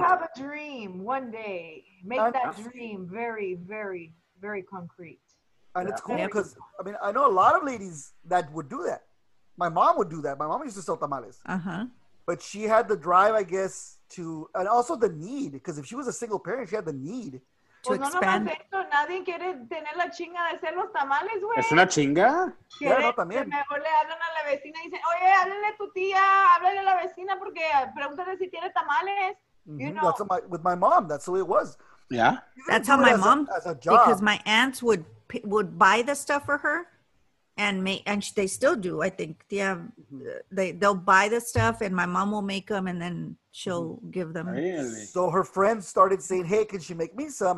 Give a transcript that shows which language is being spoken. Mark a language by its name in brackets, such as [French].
[English] You have a dream one day. Make that dream very, very, very concrete. And it's cool because, I mean, I know a lot of ladies that would do that. My mom would do that. My mom used to sell tamales. Uh-huh. But she had the drive, I guess, and also the need, because if she was a single parent, she had the need to expand. [Spanish] Nadie quiere tener la chinga de hacer los tamales, güey. ¿Es una chinga? [English] Yeah, [Spanish] no, también. Mejor le hablan a la vecina y dicen, oye, háblale a tu tía, háblale a la vecina, porque pregúntale si tiene tamales. [English] You know. That's with my mom, that's the way it was. Yeah. That's how my mom, because my aunts would buy the stuff for her. and make, and they still do, I think. Yeah, mm-hmm. they'll buy the stuff and my mom will make them and then she'll mm-hmm. give them. Really? So her friend started saying, hey, can she make me some?